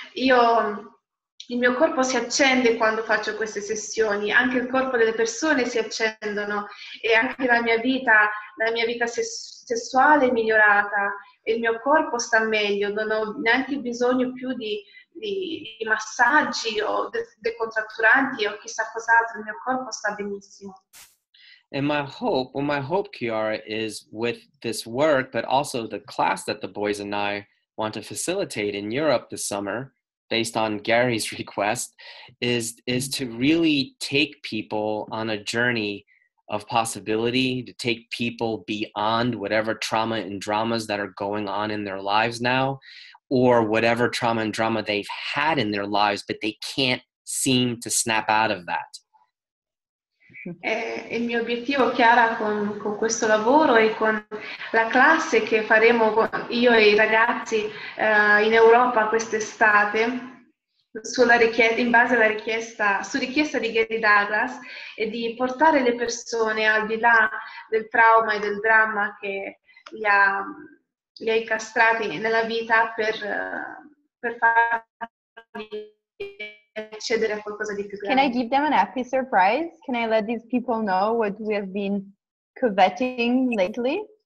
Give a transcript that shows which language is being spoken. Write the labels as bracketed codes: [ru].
[it] Io, il mio corpo si accende quando faccio queste sessioni, anche il corpo delle persone si accendono e anche la mia vita sessuale è migliorata e il mio corpo sta meglio, non ho neanche bisogno più di massaggi o decontratturanti o chissà cos'altro, il mio corpo sta benissimo. [en] And my hope, Kiara, is with this work, but also the class that the boys and I want to facilitate in Europe this summer, based on Gary's request, is to really take people on a journey of possibility, to take people beyond whatever trauma and dramas that are going on in their lives now, or whatever trauma and drama they've had in their lives, but they can't seem to snap out of that. [it] Il mio obiettivo, Chiara, con questo lavoro e con la classe che faremo io e i ragazzi in Europa quest'estate, su richiesta di Gary Douglas, è di portare le persone al di là del trauma e del dramma che li ha incastrati nella vita per farli accedere a qualcosa di più grande. [en] Can I give them an happy surprise? Can I let these people know what we have been coveting lately?